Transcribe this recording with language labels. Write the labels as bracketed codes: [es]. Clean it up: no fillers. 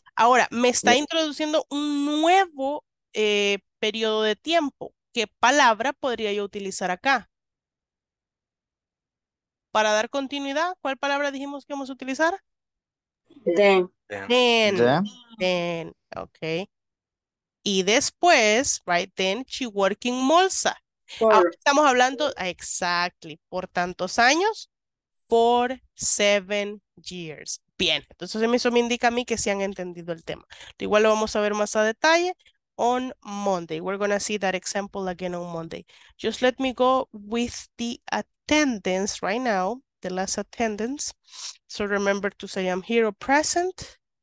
[es] Ahora, me está introduciendo un nuevo periodo de tiempo. ¿Qué palabra podría yo utilizar acá? Para dar continuidad, ¿cuál palabra dijimos que vamos a utilizar? [en] Then. Then. Then. Ok. [es] Y después, [en] right, then she worked in Molsa. [es] Ahora estamos hablando, exactly, por tantos años, [en] for 7 years. [es] Bien, entonces eso me indica a mí que sí han entendido el tema. Igual lo vamos a ver más a detalle [en] on Monday. We're going to see that example again on Monday. Just let me go with the attendance right now, the last attendance. So remember to say I'm here or present.